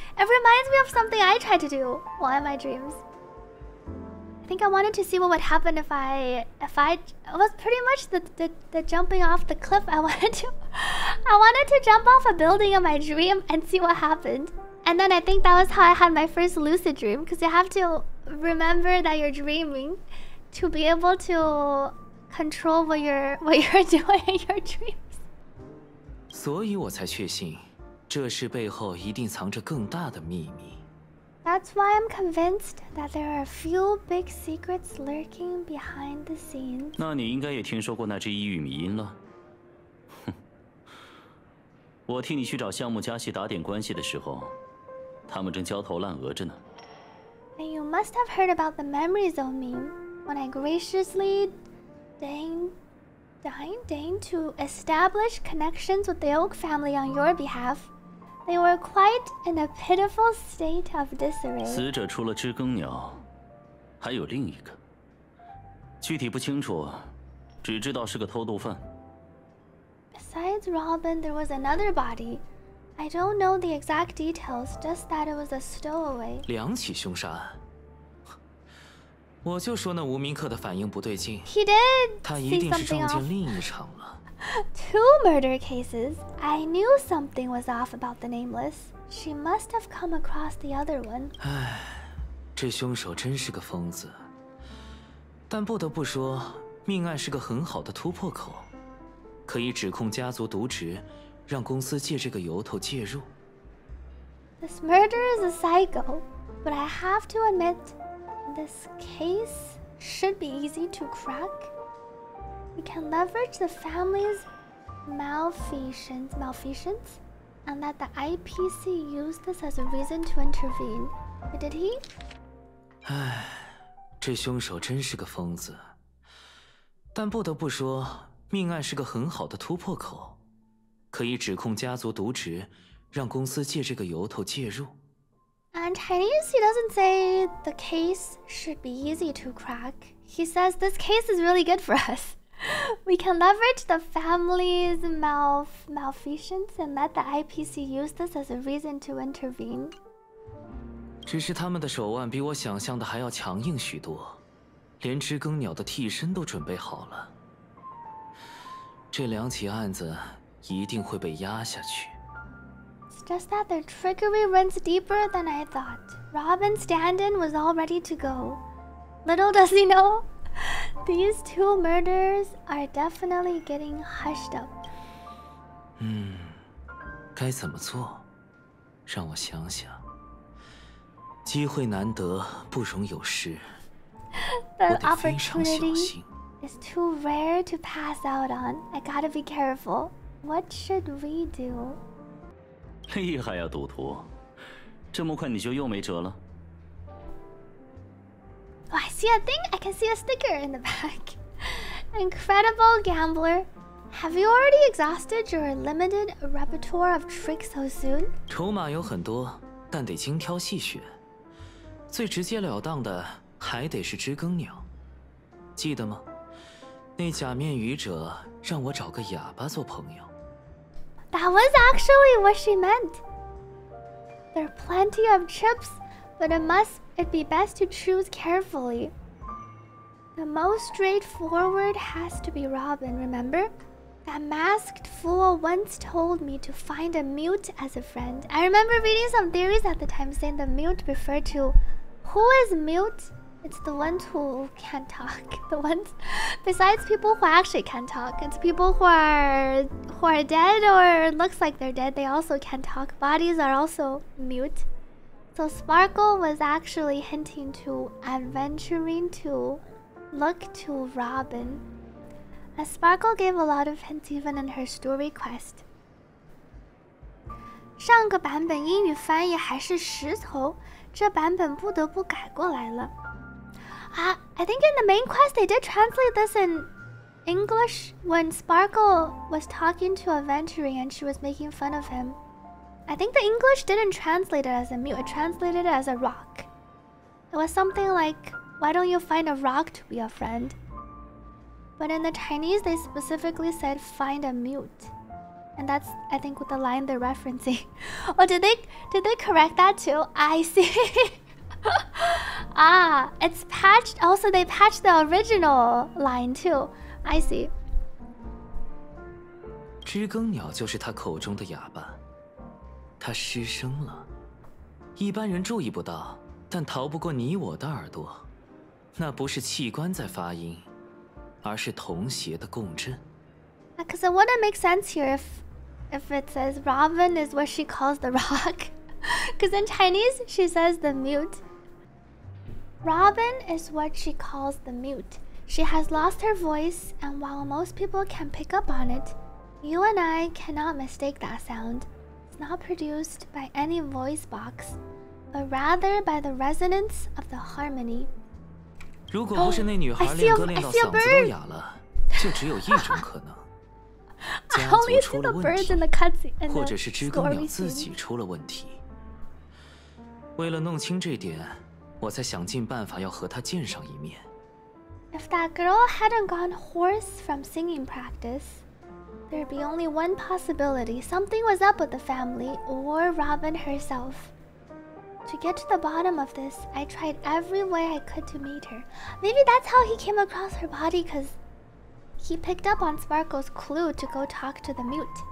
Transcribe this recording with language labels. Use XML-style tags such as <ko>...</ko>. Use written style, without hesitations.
<en>It reminds me of something I tried to do while in my dreams. I think I wanted to see what would happen if I it was pretty much the jumping off the cliff I wanted to jump off a building in my dream and see what happened. And then I think that was how I had my first lucid dream, because you have to remember that you're dreaming to be able to control what you're doing in your dreams.</en> <zh>所以我才确信，这事背后一定藏着更大的秘密。</zh> <en>That's why I'm convinced that there are a few big secrets lurking behind the scenes.</en> <zh>那你应该也听说过那只抑郁迷音了。我替你去找项目家系打点关系的时候，他们正焦头烂额着呢。</zh> <en>And you must have heard about the memory zone meme when I graciously deigned to establish connections with the Oak family on your behalf. They were quite in a pitiful state of disarray.</en> <zh>死者除了知更鸟，还有另一个，具体不清楚，只知道是个偷渡犯。</zh> <en>Besides Robin, there was another body. I don't know the exact details, just that it was a stowaway.</en> <zh>两起凶杀案。我就说那无名客的反应不对劲。</zh> <en>He did.</en> <zh>他一定是撞见另一场了。</zh> <en>Two murder cases. I knew something was off about the nameless. She must have come across the other one.</en> <zh>唉，这凶手真是个疯子。但不得不说，命案是个很好的突破口。可以指控家族渎职，让公司借这个由头介入。</zh> <en>This murder is a psycho, but I have to admit, this case should be easy to crack. We can leverage the family's malfeasance, and let the IPC use this as a reason to intervene. Did he?</en> <zh>唉，这凶手真是个疯子。但不得不说。命案是个很好的突破口，可以指控家族渎职，让公司借这个由头介入。</zh> <en>And Chinese, he doesn't say the case should be easy to crack. He says this case is really good for us. We can leverage the family's malfeasance and let the IPC use this as a reason to intervene.</en> <zh>只是他们的手腕比我想象的还要强硬许多，连知更鸟的替身都准备好了。这两起案子一定会被压下去。</zh> <en>It's just that their trickery runs deeper than I thought. Robin Standen was all ready to go. Little does he know, these two murders are definitely getting hushed up.</en> <zh>该怎么做？让我想想。机会难得，不容有失。</zh> <en>The opportunity. It's too rare to pass out on. I gotta be careful. What should we do?</en> <zh>厉害呀，赌徒，这么快你就又没辙了。</zh> <en>Oh, I see a thing. I can see a sticker in the back. Incredible gambler. Have you already exhausted your limited repertoire of tricks so soon?</en> <zh>筹码有很多，但得精挑细选。最直接了当的还得是知更鸟。记得吗？那假面愚者让我找个哑巴做朋友。</zh> <en>That was actually what she meant. There are plenty of chips, but it'd be best to choose carefully. The most straightforward has to be Robin, remember? That masked fool once told me to find a mute as a friend. I remember reading some theories at the time saying the mute referred to... Who is mute? It's the ones who can't talk. The ones... Besides people who actually can't talk. It's people who are dead or looks like they're dead. They also can't talk. Bodies are also mute. So Sparkle was actually hinting to aventurine to look to Robin. And Sparkle gave a lot of hints even in her story quest.</en> <zh>上个版本英语翻译还是石头，这版本不得不改过来了。</zh> <en>I think in the main quest they did translate this in English when Sparkle was talking to aventurine and she was making fun of him. I think the English didn't translate it as a mute, it translated it as a rock. It was something like, why don't you find a rock to be a friend? But in the Chinese, they specifically said, find a mute. And that's, I think, with the line they're referencing. Oh, did they correct that too? I see. it's patched. Also, they patched the original line too. I see.</en> <zh>知更鸟就是他口中的哑巴。他失声了，一般人注意不到，但逃不过你我的耳朵。那不是器官在发音，而是童鞋的共振。</zh> <en>Because it wouldn't make sense here if it says Robin is what she calls the rock. Because in Chinese, she says the mute. Robin is what she calls the mute. She has lost her voice, and while most people can pick up on it, you and I cannot mistake that sound. Not produced by any voice box, but rather by the resonance of the harmony.</en> <zh>如果不是那女孩练歌练到嗓子都哑了，就只有一种可能，家族出了问题，或者是知更鸟自己出了问题。为了弄清这点，我才想尽办法要和她见上一面。</zh> <en>If that girl hadn't gone hoarse from singing practice. There'd be only one possibility. Something was up with the family, or Robin herself. To get to the bottom of this, I tried every way I could to meet her. Maybe that's how he came across her body, because he picked up on Sparkle's clue to go talk to the mute.</en>